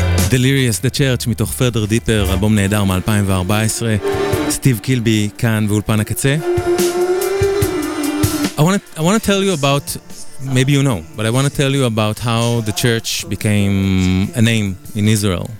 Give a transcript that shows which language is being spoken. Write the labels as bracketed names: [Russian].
[Hebrew] Delirious, The Church, מתוך Further Deeper, אלבום נהדר מ-2014. סטיב קילבי כאן ואולפן הקצה. [English] I want to tell you about, maybe you know, but I want to tell you about how The Church became a name in Israel.